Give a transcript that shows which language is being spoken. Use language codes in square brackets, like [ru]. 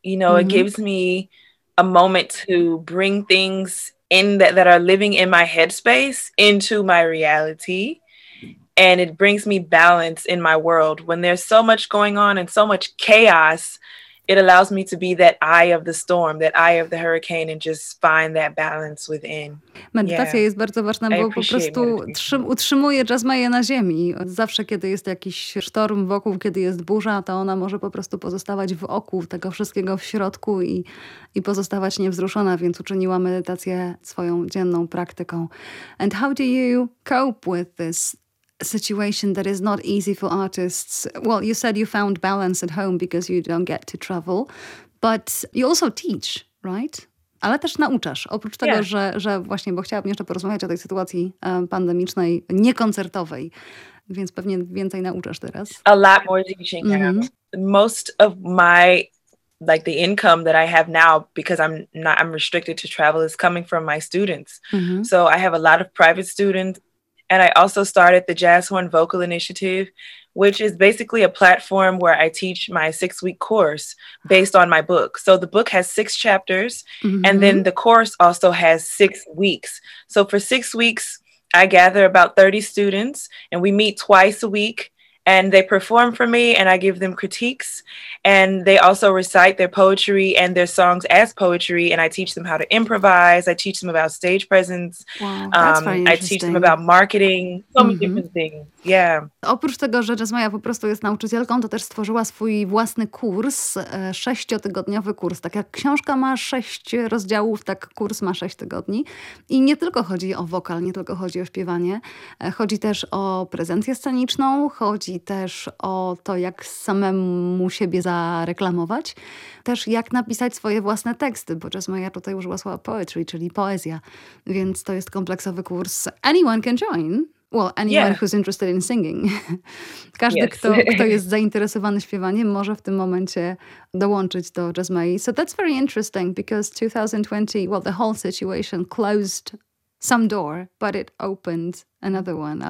[en] You know, mm-hmm. it gives me a moment to bring things in that are living in my headspace into my reality. And it brings me balance in my world. When there's so much going on and so much chaos, it allows me to be that eye of the storm, that eye of the hurricane, and just find that balance within. [pl] Medytacja yeah. jest bardzo ważna, bo po prostu utrzymuje Jasmine na ziemi. Zawsze, kiedy jest jakiś sztorm wokół, kiedy jest burza, to ona może po prostu pozostawać w oku tego wszystkiego w środku i pozostawać niewzruszona, więc uczyniła medytację swoją dzienną praktyką. [en] And how do you cope with this situation that is not easy for artists? Well, you said you found balance at home because you don't get to travel, but you also teach, right? [pl] Ale też nauczasz. Oprócz tego, yeah. że właśnie, bo chciałabym jeszcze porozmawiać o tej sytuacji pandemicznej, niekoncertowej, więc pewnie więcej nauczasz teraz. [en] A lot more teaching. Mm-hmm. Most of my, like the income that I have now, because I'm restricted to travel, is coming from my students. Mm-hmm. So I have a lot of private students. And I also started the Jazz Horn Vocal Initiative, which is basically a platform where I teach my 6-week course based on my book. So the book has 6 chapters, mm-hmm. and then the course also has 6 weeks. So for 6 weeks, I gather about 30 students, and we meet twice a week, and they perform for me, and I give them critiques, and they also recite their poetry and their songs as poetry, and I teach them how to improvise, I teach them about stage presence, wow, that's very interesting. I teach them about marketing, so many different things. Yeah. [pl] Oprócz tego, że Jasmine po prostu jest nauczycielką, to też stworzyła swój własny kurs, 6-tygodniowy kurs. Tak jak książka ma 6 rozdziałów, tak kurs ma 6 tygodni. I nie tylko chodzi o wokal, nie tylko chodzi o śpiewanie. Chodzi też o prezencję sceniczną, chodzi też o to, jak samemu siebie zareklamować. Też jak napisać swoje własne teksty, bo Jasmine tutaj użyła słowa poetry, czyli poezja. Więc to jest kompleksowy kurs. [en] Anyone can join. Well, anyone yeah. who's interested in singing. [pl] Każdy, yes. kto jest zainteresowany śpiewaniem, może w tym momencie dołączyć do Jasmine. [en] So that's very interesting because 2020, well, the whole situation closed some door, but it opened another one.